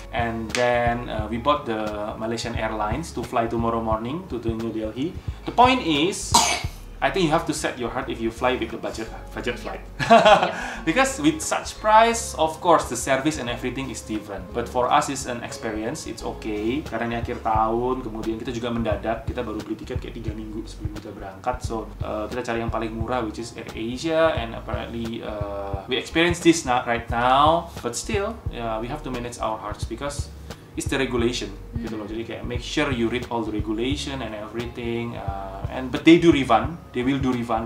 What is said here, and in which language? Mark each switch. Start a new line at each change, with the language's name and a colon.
English: And then we bought the Malaysian Airlines to fly tomorrow morning to the New Delhi. The point is, I think you have to set your heart if you fly with a budget flight. Because with such price, of course the service and everything is different. But for us it's an experience, it's okay.
Indonesian: Karena ini akhir tahun, kemudian kita juga mendadak, kita baru beli tiket kayak 3 minggu sebelum kita berangkat. So kita cari yang paling murah,
English: which is Air Asia, and apparently we experience this not right now. But still, we have to manage our hearts because it's the regulation,
Indonesian: gitu loh. Jadi kayak
English: make sure you read all the regulation and everything. But they do refund, they will do refund.